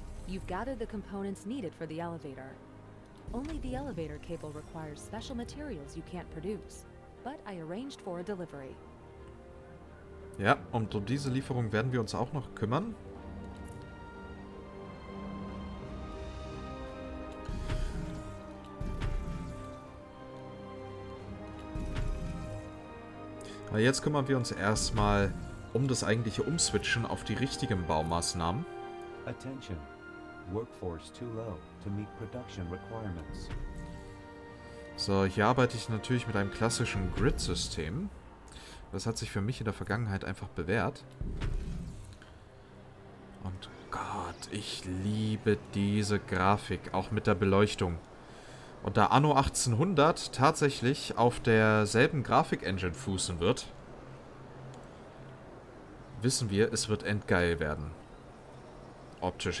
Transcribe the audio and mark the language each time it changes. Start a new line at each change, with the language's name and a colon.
English: You've gathered the components needed for the elevator. Only the elevator cable requires special materials you can't produce, but I arranged for a delivery.
German: Ja, und um diese Lieferung werden wir uns auch noch kümmern. Aber jetzt kümmern wir uns erstmal um das eigentliche Umswitchen auf die richtigen Baumaßnahmen.
English: Attention. Workforce too low to meet production requirements.
German: So, hier arbeite ich natürlich mit einem klassischen Grid-System. Das hat sich für mich in der Vergangenheit einfach bewährt. Und Gott, ich liebe diese Grafik, auch mit der Beleuchtung. Und da Anno 1800 tatsächlich auf derselben Grafik-Engine fußen wird, wissen wir, es wird endgeil werden. Optisch.